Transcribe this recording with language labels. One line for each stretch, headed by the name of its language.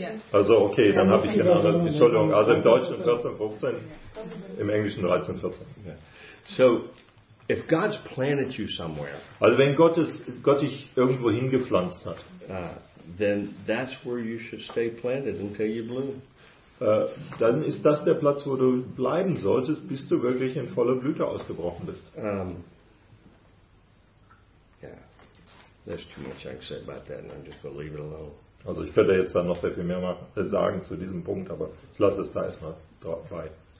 German: Also okay, dann habe ich genau. Entschuldigung, also im Deutschen 14, 15, im Englischen 13, 14.
English: So, if God's planted you somewhere.
German: Also wenn Gott dich irgendwo hingepflanzt hat.
English: Then that's where you should stay planted until you bloom.
German: Dann ist das der Platz, wo du bleiben solltest, bis du wirklich in volle Blüte ausgebrochen bist.
English: There's too much I can say about that, and I'm just gonna leave it alone.
German: Also ich könnte jetzt dann noch sehr viel mehr sagen zu diesem Punkt, aber ich lasse es da erstmal dort bei.